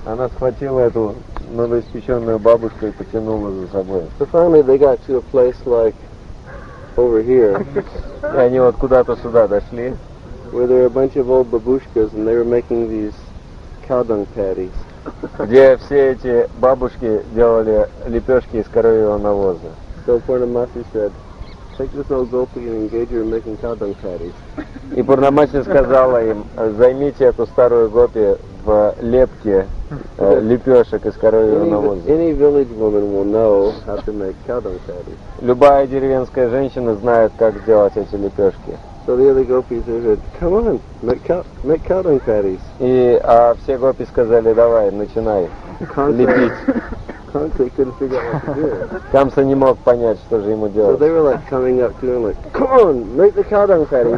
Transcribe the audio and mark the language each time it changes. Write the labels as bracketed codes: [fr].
[ru] Она схватила эту новоиспеченную бабушку и потянула за собой. [en] So finally they got to a place like over here. [ru] И они вот куда-то сюда дошли. [en] Where there were a bunch of old babushkas and they were making these cow dung patties. [ru] Где все эти бабушки делали лепешки из коровьего навоза. [en] So Purnamasi said, take this old gopi and engage her in making cow dung patties. [ru] И Пурнамаси сказала им, займите эту старую гопи в лепке лепешек из коровьего навоза. [en] Any village woman will know how to make cow dung patties. [ru] Любая деревенская женщина знает, как делать эти лепешки. [en] So the other gopis said, come on, make cow dung patties. [ru] И все гопи сказали, давай, начинай лепить. [en] Kamsa couldn't figure out what to do. [ru] Kamsa не мог понять, что же ему делать. [en] So they were like coming up to him like, come on, make the cow dung patties.